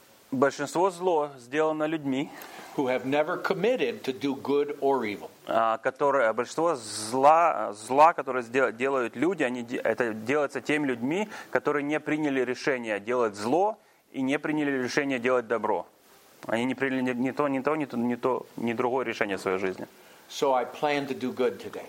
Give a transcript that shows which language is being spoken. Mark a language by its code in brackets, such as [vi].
[ru] Большинство зло сделано людьми, [en] who have never committed to do good or evil. [ru] Большинство зла, которое делают люди, это делается теми людьми, которые не приняли решение делать зло и не приняли решение делать добро. Они не приняли ни другое решение в своей жизни. [en] So I plan to do good today.